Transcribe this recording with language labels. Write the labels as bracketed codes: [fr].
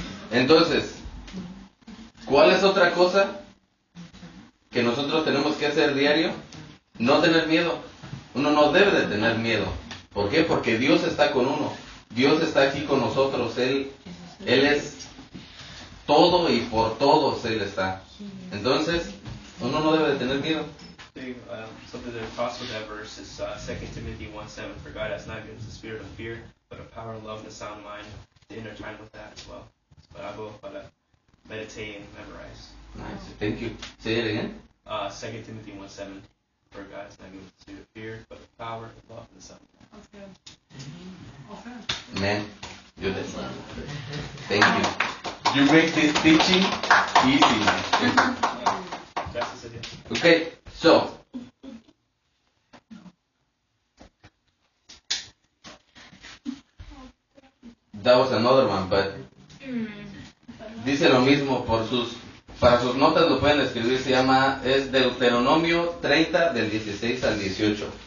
[es] Entonces, ¿cuál es otra cosa que nosotros tenemos que hacer diario? No tener miedo. Uno no debe de tener miedo. ¿Por qué? Porque Dios está con uno. Dios está aquí con nosotros. Él es todo y por todos Él está. Entonces, uno no debe de tener miedo. [en] Something that talks with that verse is 2 Timothy 1:7. For God has not given us a spirit of fear, but a power, love, and a sound mind. To intertwine with that as well. But I go for that. Meditate and memorize. Nice. Thank you. Say it again. 2 Timothy 1:7. For God has not given us a spirit of fear, but a power, love, and a sound mind. That's good. Mm-hmm. Man, you're the same. Thank you. You make this teaching easy. That's it. Okay. So, that was another one, but [es] dice lo mismo por sus, para sus notas lo pueden escribir, se llama, es Deuteronomio 30 del 16 al 18.